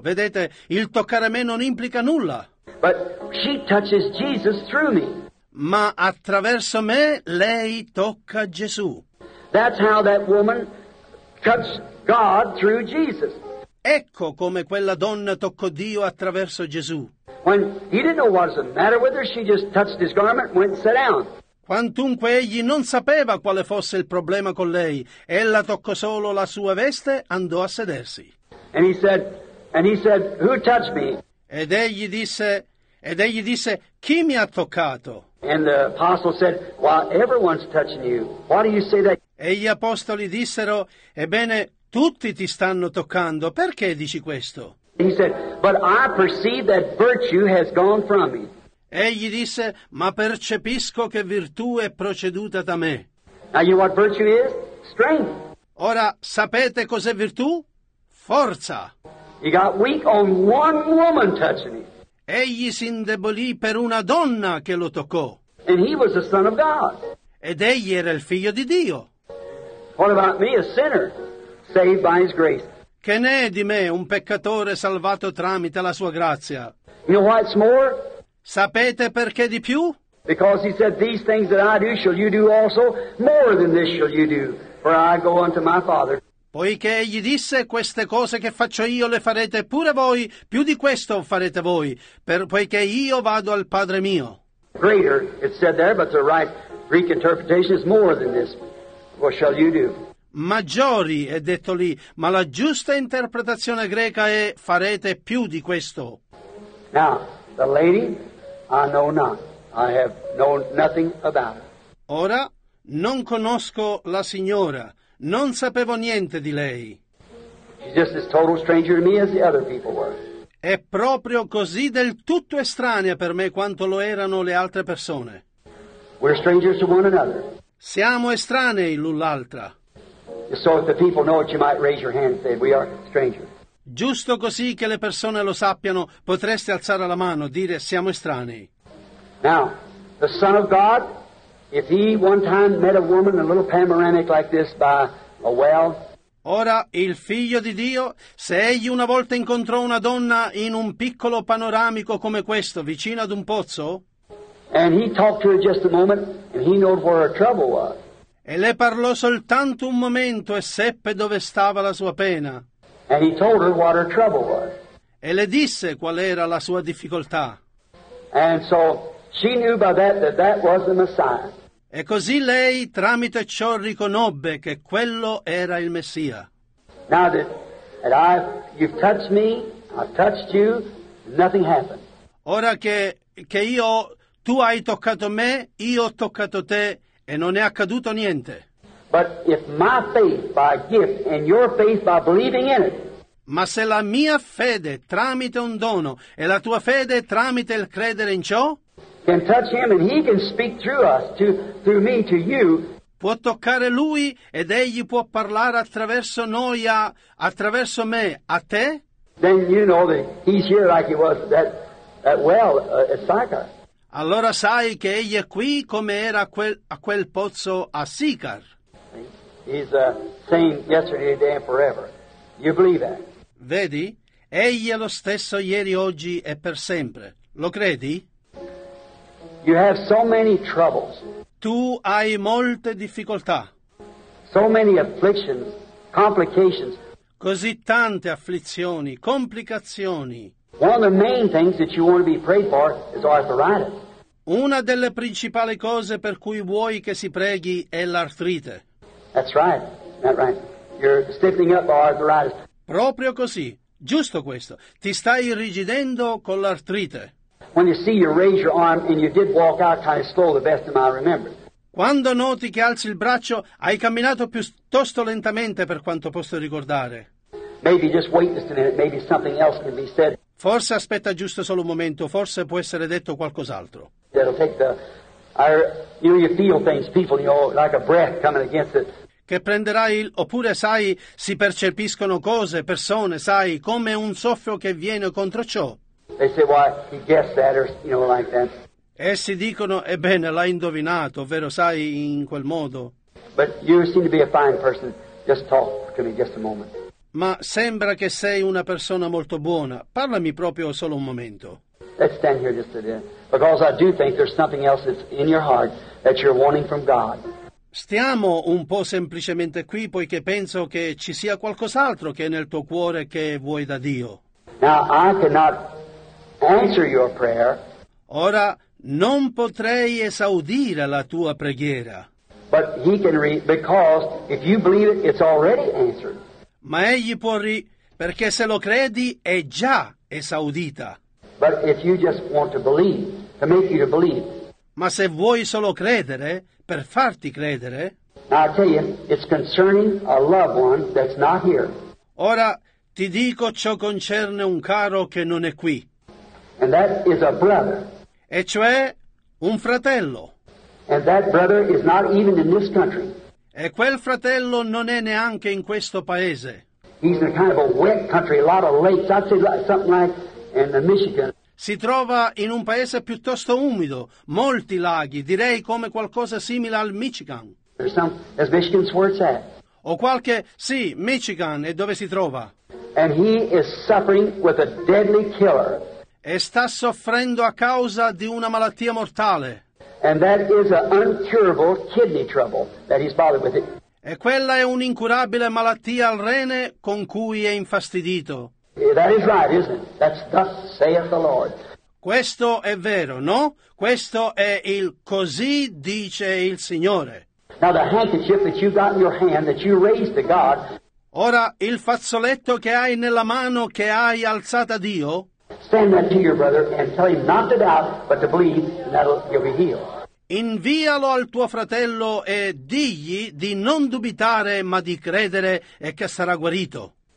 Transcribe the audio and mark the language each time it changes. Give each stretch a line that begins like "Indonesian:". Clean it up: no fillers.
Italian: Vedete, il toccare me non implica nulla.
English: But she touches Jesus through me.
Italian: Ma attraverso me lei tocca Gesù.
English: That's how that woman touched God through Jesus.
Italian: Ecco come quella donna toccò Dio attraverso Gesù.
English: When he didn't know what was the matter with her, she just touched his garment and went and sat down.
Italian: Quantunque egli non sapeva quale fosse il problema con lei, ella toccò solo la sua veste, andò a sedersi.
English: And he said, who touched me?
Italian: Ed egli disse, chi mi ha toccato?
English: And the apostle said, "While everyone's touching you, why do you say that?"
Italian: E gli apostoli dissero, "Ebbene, tutti ti stanno toccando. Perché dici questo?"
English: He said, "But I perceive that virtue has gone from me."
Italian: Egli disse, "Ma percepisco che virtù è proceduta da me."
English: Now you know what virtue is? Strength.
Italian: Ora sapete cos'è virtù? Forza.
English: He got weak on one woman touching him.
Italian: Egli si indebolì per una donna che lo toccò.
English: And he was the son of God.
Italian: Ed egli era il figlio di Dio.
English: What about me, a sinner, saved by his grace?
Italian: Che ne è di me, un peccatore salvato tramite la sua grazia?
English: You know what's more?
Italian: Sapete perché di più?
English: Because he said, these things that I do shall you do also, more than this shall you do, for I go unto my Father.
Italian: Poiché egli disse, queste cose che faccio io le farete pure voi, più di questo farete voi, poiché io vado al Padre mio.
English: Greater, it's said there, but the right Greek interpretation is more than this. What shall you do?
Italian: Maggiori, è detto lì, ma la giusta interpretazione greca è farete più di questo.
English: Now, the lady, I know not. I have known nothing about her.
Italian: Ora, non conosco la signora. Non sapevo niente di lei.
English: She's just as total stranger to me as the other people were.
Italian: È proprio così del tutto estranea per me quanto lo erano le altre persone.
English: We're strangers to one another.
Italian: Siamo estranei l'un l'altra.
English: So if the people know it, you might raise your hand and say we are strangers.
Italian: Giusto così che le persone lo sappiano, potreste alzare la mano, dire siamo estranei.
English: Now, the Son of God. If he one time met a woman in a little panoramic like this by a well,
Italian: Ora, il figlio di Dio, se egli una volta incontrò una donna in un piccolo panoramico come questo, vicino ad un pozzo,
English: and he talked to her just a moment, and he knew where her trouble was.
Italian: E le parlò soltanto un momento e seppe dove stava la sua pena.
English: And he told her what her trouble was.
Italian: E le disse qual era la sua difficoltà.
English: And so she knew by that that that was the Messiah.
Italian: E così lei tramite ciò riconobbe che quello era il Messia.
English: Now that you've touched me, I've touched you, nothing happened.
Italian: Ora che io tu hai toccato me, io ho toccato te e non è accaduto niente.
English: But if my faith by gift and your faith by believing in it.
Italian: Ma se la mia fede tramite un dono e la tua fede tramite il credere in ciò
English: can touch him and he can speak through us to through me to you.
Italian: Può toccare lui ed egli può parlare attraverso noi attraverso me a te.
English: Then you know that he's here like he was that well at Sychar.
Italian: Allora sai che egli è qui come era a quel pozzo a Sychar.
English: He's the same yesterday, today, and forever. You believe that?
Italian: Vedi, egli è lo stesso ieri, oggi e per sempre. Lo credi?
English: You have so many troubles.
Italian: Tu hai molte difficoltà.
English: So many afflictions, complications.
Italian: Così tante afflizioni, complicazioni.
English: One of the main things that you want to be prayed for is arthritis.
Italian: Una delle principali cose per cui vuoi che si preghi è l'artrite.
English: That's right. That's right. You're stiffening up by arthritis.
Italian: Proprio così. Giusto questo. Ti stai irrigidendo con l'artrite.
English: When you see you raise your arm and you did walk out kind of slow, the best of my remember.
Italian: Quando noti che alzi il braccio, hai camminato piuttosto lentamente per quanto posso ricordare.
English: Maybe just wait just a minute, maybe something else can be said.
Italian: Forse aspetta giusto solo un momento, forse può essere detto qualcos'altro.
English: That'll take the, you feel things, people, you know, like a breath coming against it.
Italian: Che prenderai il, oppure sai, si percepiscono cose, persone, sai, come un soffio che viene contro ciò.
English: They say, well, he guessed that, or, you know, like that.
Italian: Essi dicono, ebbene, l'ha indovinato, ovvero sai, in quel modo.
English: But you seem to be a fine person, just talk to me just a moment.
Italian: Ma sembra che sei una persona molto buona, parlami proprio solo un momento.
English: Let's stand here just a minute, because I do think there's something else that's in your heart that you're wanting from God.
Italian: Stiamo un po' semplicemente qui, poiché penso che ci sia qualcos'altro che è nel tuo cuore che vuoi da Dio.
English: Now, I cannot answer your prayer.
Italian: Ora, non potrei esaudire la tua preghiera.
English: But he can read, because if you believe it, it's already answered.
Italian: Ma egli può perché se lo credi è già esaudita.
English: But if you just want to believe, to make you to believe.
Italian: Ma se vuoi solo credere, per farti credere.
English: Now I tell you, it's concerning a loved one that's not here.
Italian: Ora ti dico ciò concerne un caro che non è qui.
English: And that is a brother.
Italian: E cioè un fratello.
English: And that brother is not even in this country.
Italian: E quel fratello non è neanche in questo paese.
English: He's in a kind of a wet country, a lot of lakes. I'd say something like in the Michigan.
Italian: Si trova in un paese piuttosto umido, molti laghi, direi come qualcosa simile al Michigan.
English: There's some, as Michigan's where it's at.
Italian: O qualche, sì, Michigan, e dove si trova?
English: And he is suffering with a deadly killer.
Italian: E sta soffrendo a causa di una malattia mortale.
English: And that is an incurable kidney trouble that he's bothered with.
Italian: E quella è un'incurabile malattia al rene con cui è infastidito.
English: That is right, isn't it? That's thus saith the Lord.
Italian: Questo è vero, no? Questo è il così dice il Signore.
English: Now the handkerchief that you got in your hand that you raised to God.
Italian: Ora il fazzoletto che hai nella mano che hai alzata a Dio.
English: Send that to your brother and tell him not to doubt, but to believe, and that'll you'll be healed.
Italian: Invialo al tuo fratello e digli di non dubitare, ma di credere e che sarà guarito.